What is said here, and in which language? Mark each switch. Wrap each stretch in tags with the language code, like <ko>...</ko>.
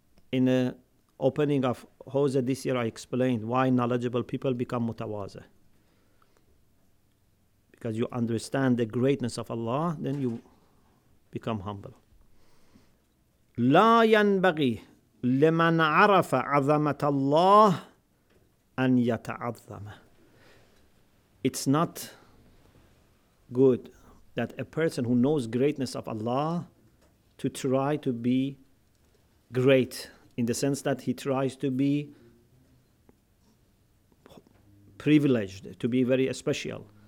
<en>In the opening of Hoza this year, I explained why knowledgeable people become mutawazu. Because you understand the greatness of Allah, then you become humble.</en> <ar>لا ينبغي لمن عرف عظمة الله أن يتعظم.</ar> <en>It's not good that a person who knows greatness of Allah to try to be great, in the sense that he tries to be privileged, to be very special.</en>